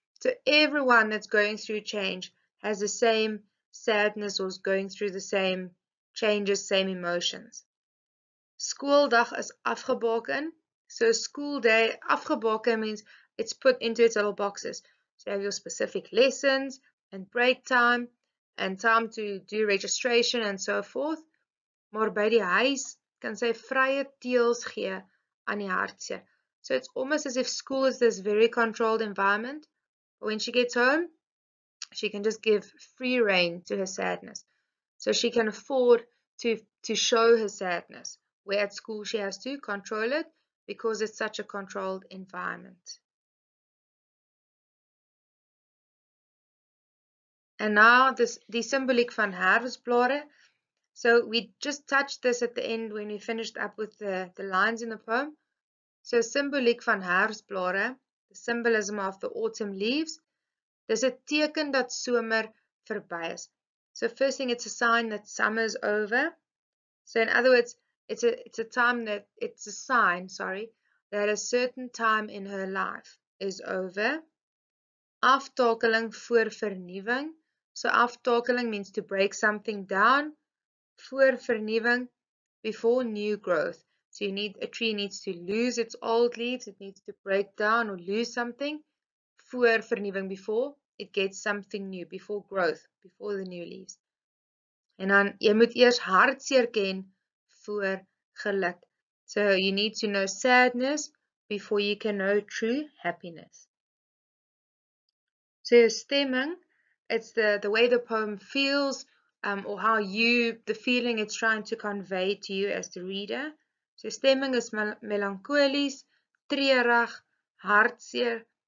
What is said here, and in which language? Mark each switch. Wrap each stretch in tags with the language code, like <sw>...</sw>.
<en>So everyone that's going through change has the same sadness or is going through the same changes, same emotions.</en> <af>Skooldag is afgebaken.</af> <en>So school day, afgebaken means it's put into its little boxes. So you have your specific lessons and break time and time to do registration and so forth.</en> <af>Maar by die huis kan sy vrye teels gee aan die hartseer.</af> <en>So it's almost as if school is this very controlled environment. But when she gets home, she can just give free rein to her sadness. So she can afford to show her sadness, where at school she has to control it because it's such a controlled environment. And now this the symbolic</en> <af>van herfstblare.</af> <en>So we just touched this at the end when we finished up with the lines in the poem. So symbolic</en> <af>van herfstblare,</af> <en>the symbolism of the autumn leaves.</en> <af>Dis 'n teken dat somer verby is.</af> <en>So first thing, it's a sign that summer's over. So in other words, it's a sign that a certain time in her life is over.</en> <af>Aftakeling voor vernuwing.</af> <en>So aftakeling means to break something down.</en> <af>Voor vernuwing,</af> <en>before new growth. So you need a tree needs to lose its old leaves, it needs to break down or lose something.</en> <af>Voor vernuwing,</af> <en>before it gets something new, before growth, before the new leaves.</en> <af>En dan jy moet eers hartseer ken voor geluk.</af> <en>So you need to know sadness before you can know true happiness. So your stemming, it's the way the poem feels or how you the feeling it's trying to convey to you as the reader.</en> <af>So stemming is melancholies, treurig, hartseer.</af>